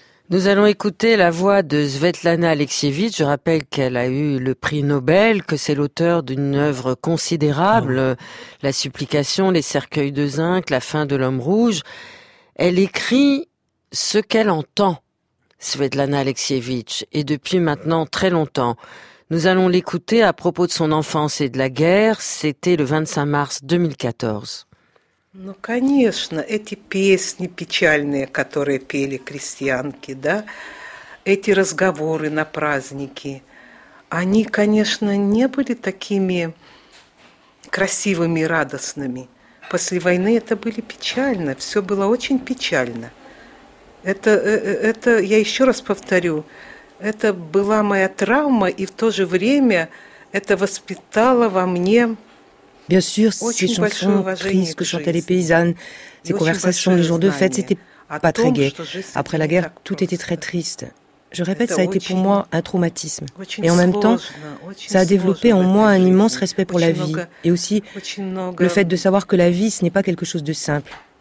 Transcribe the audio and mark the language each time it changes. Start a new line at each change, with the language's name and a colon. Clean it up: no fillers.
French: Nous allons écouter la voix de Svetlana Alexievitch. Je rappelle qu'elle a eu le prix Nobel, que c'est l'auteur d'une œuvre considérable, La Supplication, Les Cercueils de Zinc, La Fin de l'Homme Rouge. Elle écrit ce qu'elle entend. Svetlana Alexievitch, et depuis maintenant très longtemps. Nous allons l'écouter à propos de son enfance et de la guerre. C'était le 25 mars 2014.
Russian: Ну, конечно, эти песни печальные, которые пели крестьянки, да, эти разговоры на праздники, они, конечно, не были такими красивыми и радостными. После войны это были печально, все было очень печально. Это я еще раз повторю, это была моя травма, и в то же время это воспитало во мне
French: Bien sûr, ces chansons tristes que chantaient les paysannes, ces conversations, les jours de fête, c'était pas très gai. Après la guerre, tout était très triste. Je répète, ça a été pour moi un traumatisme. Et en même temps, ça a développé en moi un immense respect pour la vie. Et aussi, le fait de savoir que la vie, ce n'est pas quelque chose de simple.